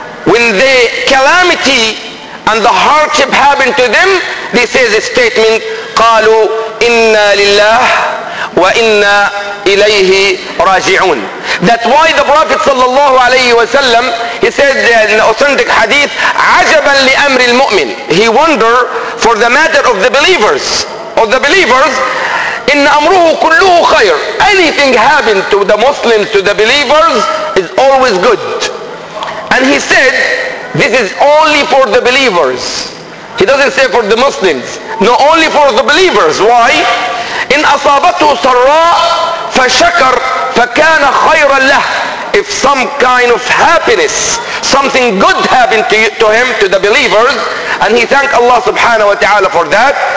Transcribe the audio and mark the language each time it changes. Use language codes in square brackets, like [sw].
[en] When the calamity and the hardship happen to them, this is a statement, [ar] قالوا إنا لله وإنا إليه راجعون. [en] That's why the Prophet [ar] صلى الله عليه وسلم [en] he said in the authentic hadith [ar] عجبا لأمر المؤمن. [en] He wonder for the matter of the believers. Of the believers, [ar] إن أمره كله خير. [en] Anything happened to the Muslims, to the believers is always good. And he said this is only for the believers. He doesn't say for the Muslims. No, only for the believers. Why? [ar] إِنْ أَصَابَتُهُ سَرَّاءُ فَشَكَرْ فَكَانَ خَيْرًا لَهُ [en] If some kind of happiness, something good happened to him, to the believers, and he thanked Allah subhanahu wa ta'ala for that,